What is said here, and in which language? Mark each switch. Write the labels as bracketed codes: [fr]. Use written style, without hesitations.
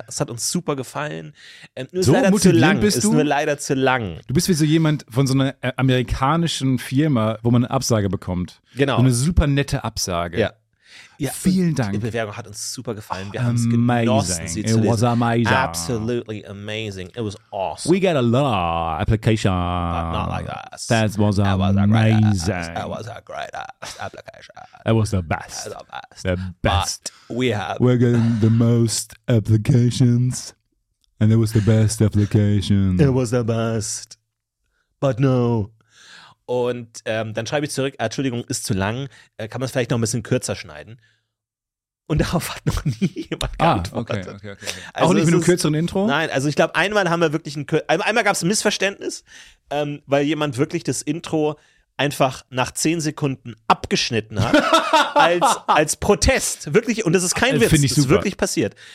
[de] Es hat uns super gefallen. Nur so ist leider zu lang. Bist du? Ist nur leider zu lang. Du bist wie so jemand von so einer amerikanischen Firma, wo man eine Absage bekommt. Genau. Eine super nette Absage. Ja. Ja, vielen Dank. Die Bewerbung hat uns super gefallen. Wir haben es genossen, sie [en] It was amazing. Absolutely amazing. It was awesome. We get a lot of application. But not like us. That was amazing. It was a great application. That was the best. But we have. We're getting the most applications. And it was the best application. It was the best. But no. [de] Und dann schreibe ich zurück, Entschuldigung, ist zu lang, kann man es vielleicht noch ein bisschen kürzer schneiden? Und darauf hat noch nie jemand geantwortet. Okay. Also auch nicht mit einem kürzeren Intro? Nein, also ich glaube, einmal gab es ein Missverständnis, weil jemand wirklich das Intro einfach nach 10 Sekunden abgeschnitten hat, als Protest, wirklich, und das ist kein Witz, das ist wirklich passiert.